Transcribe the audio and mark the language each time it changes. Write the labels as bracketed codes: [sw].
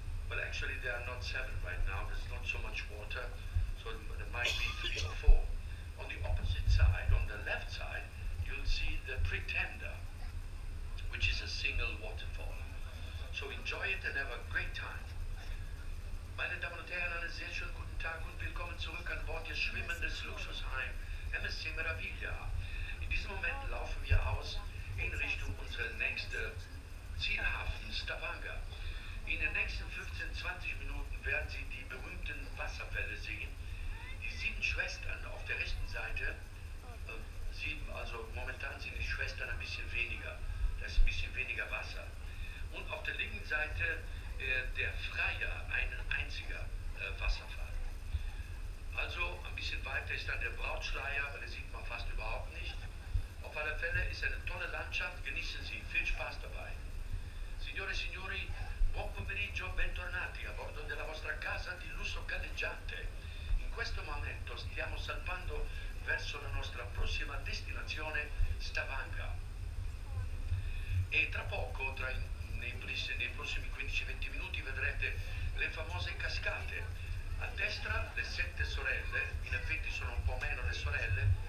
[en] Well, actually, there are not seven right now. There's not so much water, so there might be three or four. On the opposite side, on the left side, you'll see the Pretender, which is a single waterfall. So enjoy it and have a great time. [de] Meine Damen und Herren, einen sehr schönen guten Tag und willkommen zurück an Bord des schwimmendes Luxusheim MSC Meraviglia. In diesem Moment laufen wir aus in Richtung unserer nächsten Zielhafen Stavanger. In den nächsten 15-20 Minuten werden Sie die berühmten Wasserfälle sehen. Die sieben Schwestern auf der rechten Seite, sieben, also momentan sind die Schwestern ein bisschen weniger, da ist ein bisschen weniger Wasser. Und auf der linken Seite der Freier, ein einziger Wasserfall. Also ein bisschen weiter ist dann der Brautschleier, aber den sieht man fast überhaupt nicht. Auf alle Fälle ist eine tolle Landschaft, genießen Sie, viel Spaß dabei. [it] Signore e signori, buon pomeriggio, bentornati a bordo della vostra casa di lusso galleggiante. In questo momento stiamo salpando verso la nostra prossima destinazione, Stavanger. E tra poco, nei prossimi 15-20 minuti, vedrete le famose cascate. A destra le sette sorelle, in effetti sono un po' meno le sorelle,